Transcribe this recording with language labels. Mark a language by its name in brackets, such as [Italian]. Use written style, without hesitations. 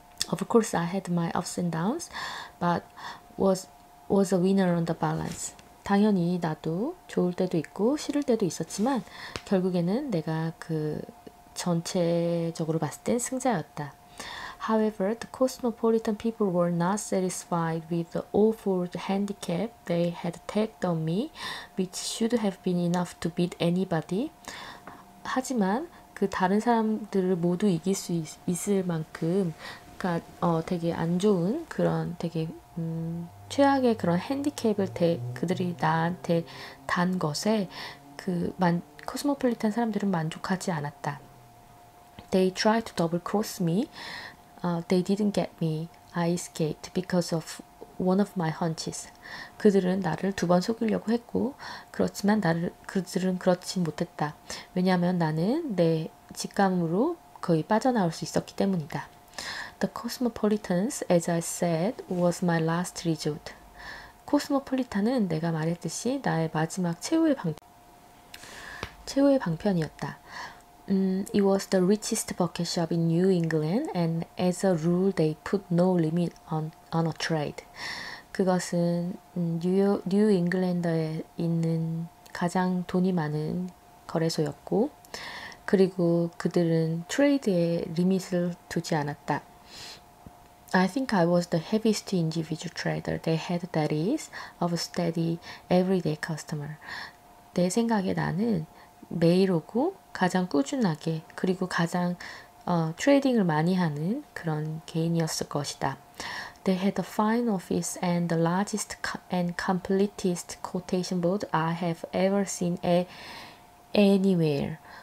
[English] Of course, I had my ups and downs, but was a winner on the balance. [Korean] 당연히 나도 좋을 때도 있고 싫을 때도 있었지만 결국에는 내가 그 전체적으로 봤을 땐 승자였다. [English] However, the cosmopolitan people were not satisfied with the awful handicap they had tacked on me, which should have been enough to beat anybody. [Korean] 하지만 그 다른 사람들을 모두 이길 수 있을 만큼 그러니까 되게 안 좋은 그런 되게 최악의 그런 핸디캡을 그들이 나한테 단 것에 코스모폴리탄 사람들은 만족하지 않았다. [English] They tried to double cross me. They didn't get me. I escaped because of one of my hunches. [Korean] 그들은 나를 두 번 속이려고 했고 그렇지만 그들은 그렇진 못했다. 왜냐하면 나는 내 직감으로 거의 빠져나올 수 있었기 때문이다. [English] The Cosmopolitans, as I said, was my last resort. [Korean] Cosmopolitan은 내가 말했듯이 나의 마지막 최후의 방편이었다. [English] It was the richest bucket shop in New England, and as a rule, they put no limit on a trade. [Korean] 그것은 뉴 잉글랜드에 있는 가장 돈이 많은 거래소였고, 그리고 그들은 트레이드에 리밋을 두지 않았다. [English] I think I was the heaviest individual trader they had, that is, of a steady everyday customer. [Korean] 내 생각에 나는 매일 오고 가장 꾸준하게 그리고 가장 트레이딩을 많이 하는 그런 개인이었을 것이다. [English] They had a fine office and the largest and completest quotation board I have ever seen anywhere.